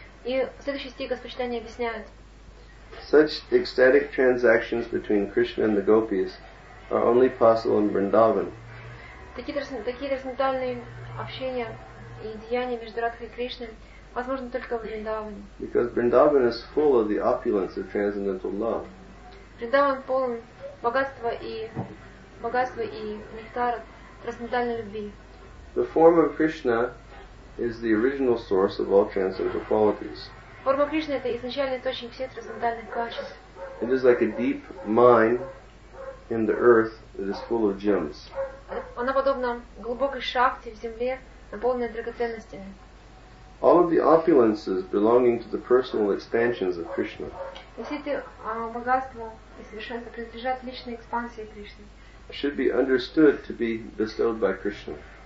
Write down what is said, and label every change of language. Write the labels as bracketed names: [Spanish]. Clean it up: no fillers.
[Russian] И следующий стих Господь Чайтанья объясняет. [English] Such ecstatic transactions between Krishna and the gopis are only possible in Vrindavan. [Russian] Такие трансцендентальные общения и деяния между Радхой и Кришной возможны только в Вриндаване. [English] Because Vrindavan is full of the opulence of transcendental love. [Russian] Вриндаван полон богатства и нектара трансцендентальной любви. [English] The form of Krishna is the original source of all transcendental qualities. [Russian] Форма Кришны — это изначальный источник всех трансцендентальных качеств. [English] It is like a deep mine in the earth that is full of gems. [Russian] Она подобна глубокой шахте в земле, наполненной драгоценностями. [English] All of the opulences belonging to the personal expansions of Krishna. [Russian] Все эти богатства и совершенства принадлежат личной экспансии Кришны. [English] Should be understood to be bestowed by Krishna.